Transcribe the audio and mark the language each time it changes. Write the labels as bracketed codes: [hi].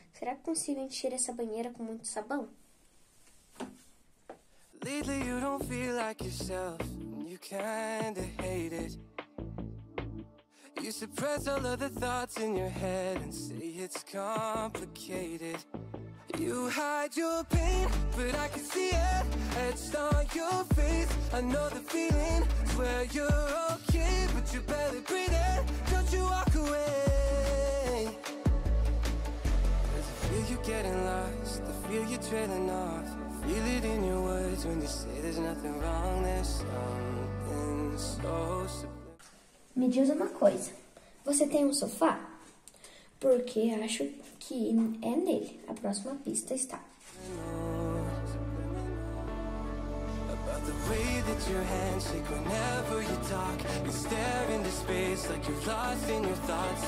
[pt] Será que consigo encher essa banheira com muito sabão? [en] Lately you don't feel like yourself, you kinda hate it. You suppress all of the thoughts in your head and say it's complicated. You hide your pain, but I can see it. It's on your face. I know the feeling. Swear you're okay, but you're barely breathing. Don't you walk away. Getting lost, the feel you're trailing off. Feel it in your words when you say there's nothing wrong. There's something so sublime. [pt] Me diz uma coisa, você tem um sofá? Porque acho que é nele. A próxima pista está. [en] About the way that your hands shake whenever you talk. You stare into space like you're lost in your thoughts.